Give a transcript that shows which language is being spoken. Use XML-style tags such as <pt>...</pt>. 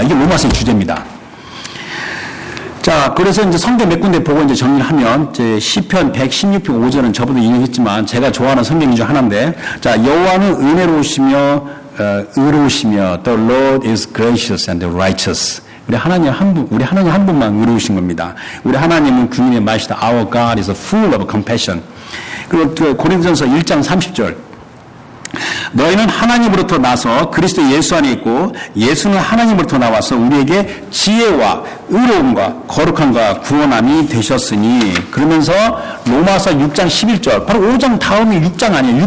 <ko>이게 로마서의 주제입니다. 자, 그래서 이제 성경 몇 군데 보고 이제 정리를 하면, 이제 시편 116편 5절은 저보다 인용했지만 제가 좋아하는 성경 중 하나인데, 자, 여호와는 은혜로우시며 의로우시며</ko> <en>the Lord is gracious and righteous.</en> <ko>우리 하나님 한 분, 우리 하나님 한 분만 의로우신 겁니다. 우리 하나님은 주님의 말씨다.</ko> <en>Our God is full of compassion.</en> <ko>그리고 그 고린도전서 1장 30절. 너희는 하나님으로부터 나서 그리스도 예수 안에 있고 예수는 하나님으로부터 나와서 우리에게 지혜와 의로움과 거룩함과 구원함이 되셨으니, 그러면서 로마서 6장 11절, 바로 5장 다음이 6장 아니에요.</ko>